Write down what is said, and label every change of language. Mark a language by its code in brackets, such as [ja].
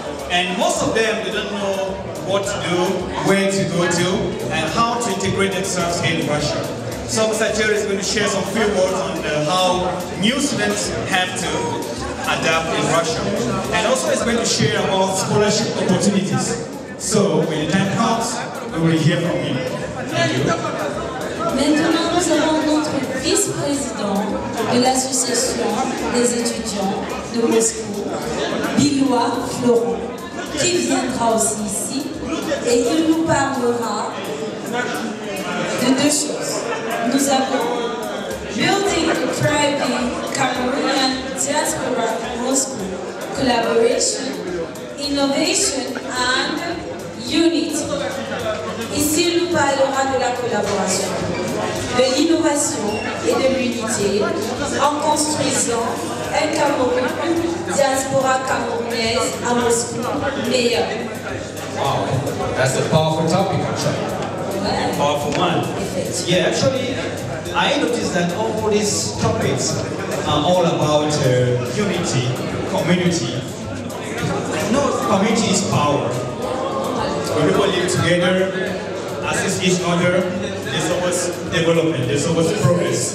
[en] And most of them, they don't know what to do, where to go to, and how to integrate themselves in Russia. So Mr. Jerry is going to share some few words on how new students have to adapt in Russian. And also he's going to share about scholarship opportunities. So when the time comes, we will hear from him. Thank you. [fr] Maintenant, nous avons notre vice-président de l'Association des étudiants de Moscou, Bilois Florent, qui viendra aussi ici et qui nous parlera de deux choses. Nous avons [en] Building a Thriving Cameroonian Diaspora Moscow Collaboration, Innovation and Unity. [fr] Ici, il nous parlera de la collaboration, de l'innovation et de l'unité en construisant un Cameroun, une diaspora camerounaise à Moscou meilleure. [en] Wow, that's a powerful topic, actually. Well, powerful one. Yeah, actually, I noticed that all these topics are all about unity, community. No, community is power. When people live together, assist each other, there's always development, there's always progress.